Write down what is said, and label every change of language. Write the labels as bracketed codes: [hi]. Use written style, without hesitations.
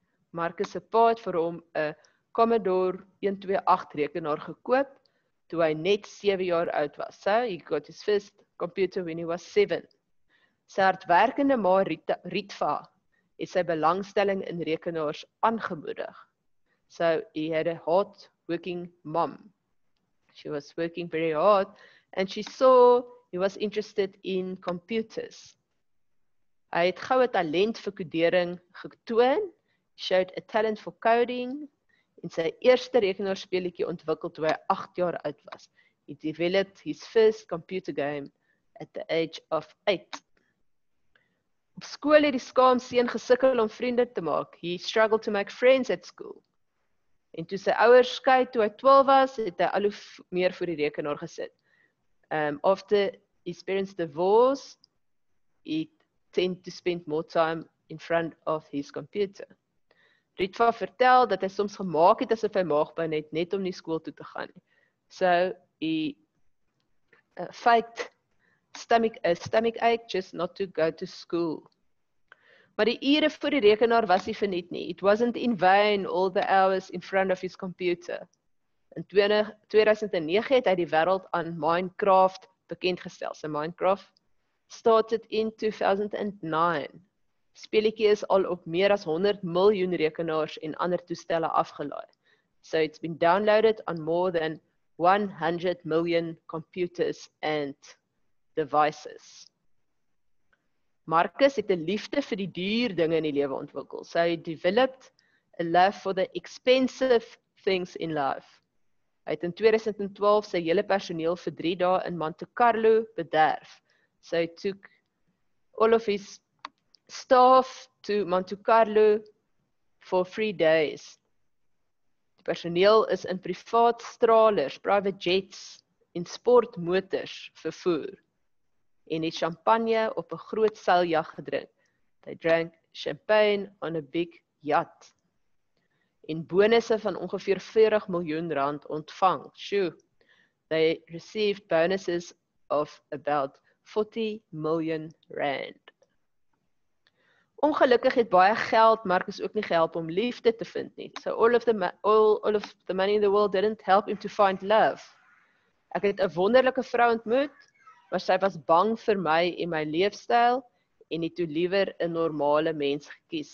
[af] Marcus' pa het vir hom 'n Commodore 128 rekenaar gekoop toe hy net 7 jaar oud was. [en] So he got his first computer when he was 7. [af] Sy hardwerkende ma Ritva het sy belangstelling in rekenaars aangemoedig. [en] So he had a hard working mom. She was working very hard and she saw he was interested in computers. [af] Hy het gou 'n talent vir kodering getoon, [en] showed a talent for coding, [af] en sy eerste rekenaarspeletjie ontwikkel toe hy 8 jaar oud was. [en] He developed his first computer game at the age of 8. [af] Op skool het die skaam seun gesukkel om vriende te maak. [en] He struggled to make friends at school. [af] En toe sy ouers skei toe hy 12 was, het hy al hoe meer voor die rekenaar gesit. [en] After his parents divorced, he tend to spend more time in front of his computer. [af] Ritva vertel dat hy soms gemaak het asof hy maagpyn het net om nie skool toe te gaan. [en] So, he faked a stomach ache just not to go to school. [af] Maar die ure voor die rekenaar was hy verniet nie. [en] It wasn't in vain all the hours in front of his computer. [af] In 2009 het hy die wêreld aan Minecraft bekendgestel. [en] So Minecraft started in 2009. [af] Speletjie is al op meer as 100 miljoen rekenaars en ander toestelle afgelaai. [en] So it's been downloaded on more than 100 million computers and devices. [af] Marcus het 'n liefde vir die duur dinge in die lewe ontwikkel. [en] So he developed a love for the expensive things in life. [af] Hy het in 2012 sy hele personeel vir 3 dae in Monte Carlo bederf. [en] So he took all of his staff to Monte Carlo for 3 days. [af] Die personeel is in privaat stralers, [en] private jets [af] en sportmotors vervoer en het champagne op 'n groot seiljag gedrink. [en] They drank champagne on a big yacht. [af] En bonusse van ongeveer 40 miljoen rand ontvang. [en] Shoo. They received bonuses of about 40 million rand. [af] Ongelukkig het baie geld Marcus ook nie gehelp om liefde te vind nie. [en] So all of the money in the world didn't help him to find love. [af] Ek het 'n wonderlike vrou ontmoet, maar sy was bang vir my en my leefstyl en het toe liewer 'n normale mens gekies.